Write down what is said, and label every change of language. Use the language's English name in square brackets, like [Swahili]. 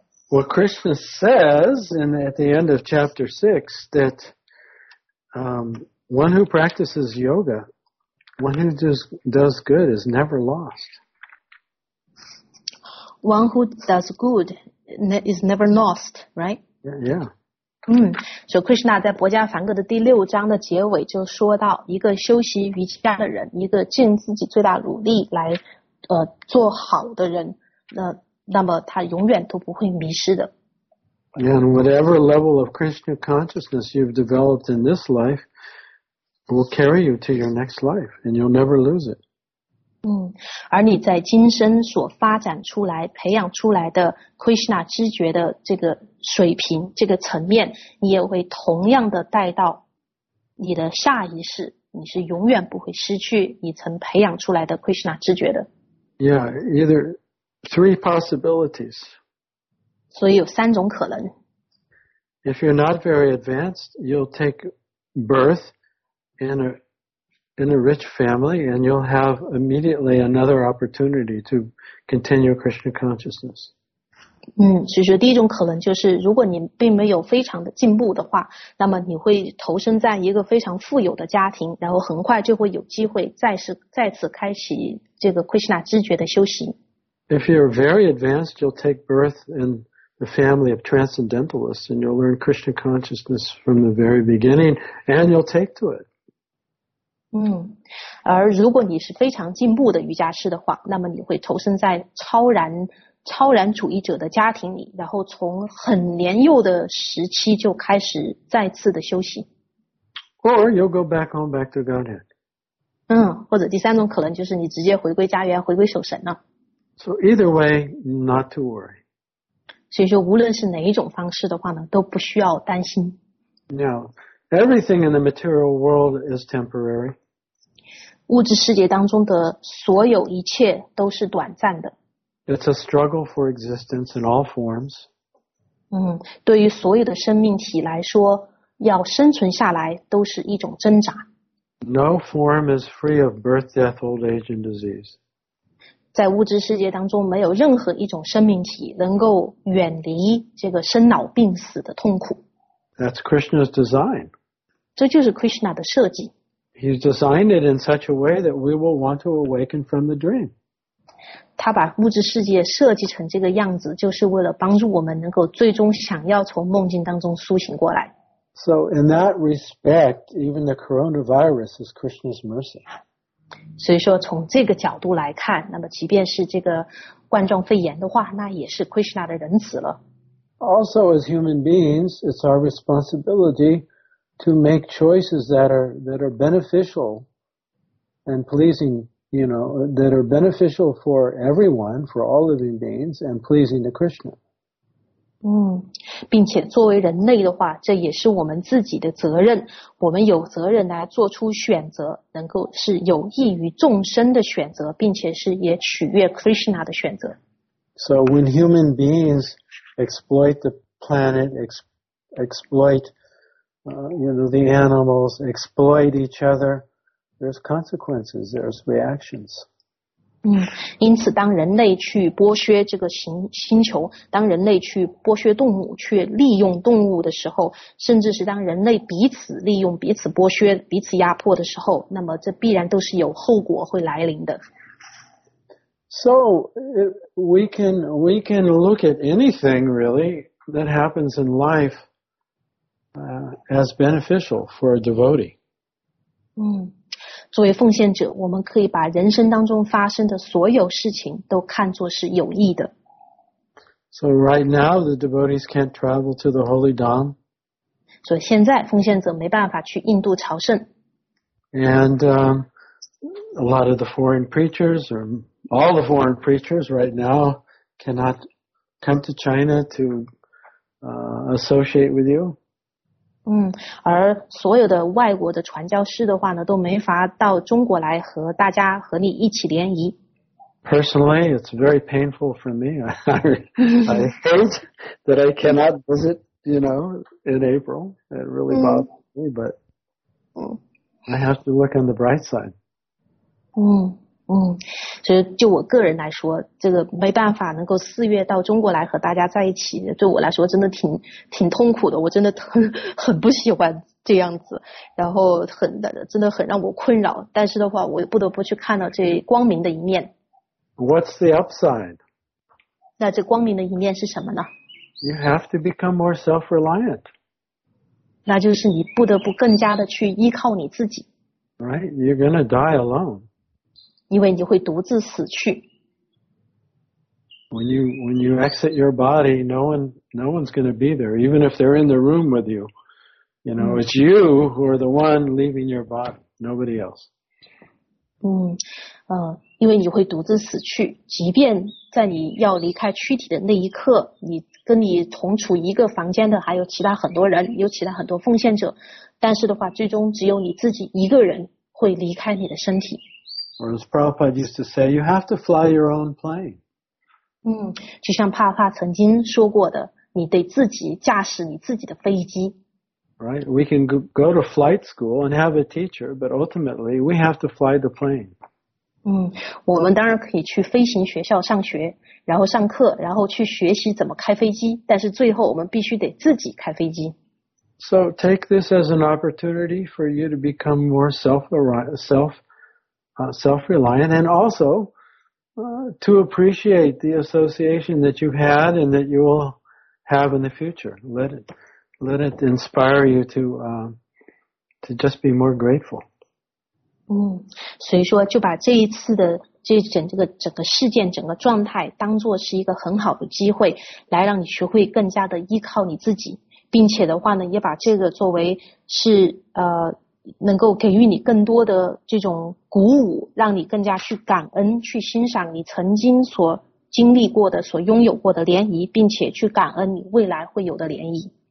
[English] Well, Krishna says in at the end of chapter 6 that one who practices yoga, one who does good is never lost. One who does good is never lost, right? Yeah. [Chinese] So Krishna 在博迦梵歌的第六章的结尾就说到，一个修习瑜伽的人，一个尽自己最大努力来做好的人，那么他永远都不会迷失的。 [English] And whatever level of Krishna consciousness you've developed in this life,will carry you to your next life, and you'll never lose it. [Chinese] 而你在今生所发展出来、培养出来的 Krishna 知觉的这个水平、这个层面，你也会同样的带到你的下一世，你是永远不会失去你曾培养出来的 Krishna 知觉的。 [English] Yeah, either three possibilities. [Chinese] 所以有三种可能。 [English] If you're not very advanced, you'll take birth. In a rich family, and you'll have immediately another opportunity to continue Krishna consciousness. [Chinese] 其实第一种可能就是，如果你并没有非常的进步的话，那么你会投身在一个非常富有的家庭，然后很快就会有机会再次开启这个 Krishna 知觉的修行。 [English] If you're very advanced, you'll take birth in the family of transcendentalists, and you'll learn Krishna consciousness from the very beginning, and you'll take to it. [Chinese] 而如果你是非常进步的瑜伽师的话，那么你会投身在超然主义者的家庭里，然后从很年幼的时期就开始再次的修行。 [English] Or you'll go back home, back to Godhead. [Chinese] 或者第三种可能就是你直接回归家园，回归守神了。 [English] So either way, not to worry. [Chinese] 所以说无论是哪一种方式的话呢，都不需要担心。 [English] Now, everything in the material world is temporary. [Chinese] 物质世界当中的所有一切都是短暂的。 [English] It's a struggle for existence in all forms. [Chinese] 对于所有的生命体来说，要生存下来都是一种挣扎。 [English] No form is free of birth, death, old age, and disease. [Chinese] 在物质世界当中，没有任何一种生命体能够远离这个生老病死的痛苦。 [English] That's Krishna's design. [Chinese] 这就是 Krishna 的设计。 [English] He's designed it in such a way that we will want to awaken from the dream. [Chinese] 他把物质世界设计成这个样子，就是为了帮助我们能够最终想要从梦境当中苏醒过来。 [English] So in that respect, even the coronavirus is Krishna's mercy. [Chinese] 所以说从这个角度来看，那么即便是这个冠状肺炎的话，那也是 Krishna 的仁慈了。 [English] Also as human beings, it's our responsibility to make choices that are beneficial and pleasing. You know, that are beneficial for everyone, for all living beings, and pleasing to Krishna. [Chinese] 并且作为人类的话，这也是我们自己的责任。我们有责任来做出选择，能够是有益于众生的选择，并且是也取悦 Krishna 的选择。 [English] So when human beings exploit the planet, exploit, you know, the animals, exploit each other,There's consequences, there's reactions. [Chinese] 因此当人类去剥削这个星球，当人类去剥削动物，去利用动物的时候，甚至是当人类彼此利用、彼此剥削、彼此压迫的时候，那么这必然都是有后果会来临的。 [English] So, we can look at anything really that happens in life, as beneficial for a devotee. [Chinese] 作为奉献者，我们可以把人生当中发生的所有事情都看作是有益的。 [English] So right now the devotees can't travel to the holy dham. [Chinese] 所以现在奉献者没办法去印度朝圣。 [English] And a lot of the foreign preachers or all the foreign preachers right now cannot come to China to associate with you. [Chinese] 而所有的外国的传教士的话呢，都没法到中国来和大家和你一起联谊。 [English] Personally, it's very painful for me. I hate that I cannot visit, you know, in April. It really bothers me, but I have to look on the bright side. [Chinese] 所以就我个人来说，这个没办法能够四月到中国来和大家在一起，对我来说真的挺痛苦的，我真的很不喜欢这样子，然后真的很让我困扰，但是的话我不得不去看到这光明的一面。 [English] What's the upside? [Chinese] 那这光明的一面是什么呢？ [English] You have to become more self-reliant. [Chinese] 那就是你不得不更加的去依靠你自己。 [English] Right, you're going to die alone. [Chinese] 因为你会独自死去。 [English] When you exit your body, no one's going to be there. Even if they're in the room with you, you know, it's you who are the one leaving your body, nobody else. [Chinese] 因为你会独自死去，即便在你要离开躯体的那一刻，你跟你同处一个房间的还有其他很多人，有其他很多奉献者，但是的话，最终只有你自己一个人会离开你的身体。 [English] Or as Prabhupada used to say, you have to fly your own plane. [Chinese] 就像帕帕曾经说过的，你得自己驾驶你自己的飞机。 [English] Right, we can go to flight school and have a teacher, but ultimately we have to fly the plane. [Chinese] 我们当然可以去飞行学校上学，然后上课，然后去学习怎么开飞机，但是最后我们必须得自己开飞机。 [English] So take this as an opportunity for you to become more self-reliant, and also to appreciate the association that you've had and that you will have in the future. Let it inspire you to just be more grateful. [Chinese] 所以说就把这一次的这整这个整个事件整个状态当做是一个很好的机会，来让你学会更加的依靠你自己，并且的话呢，也把这个作为是能够给予你更多的这种鼓舞，让你更加去感恩，去欣赏你曾经所经历过的、所拥有过的涟漪，并且去感恩你未来会有的涟漪。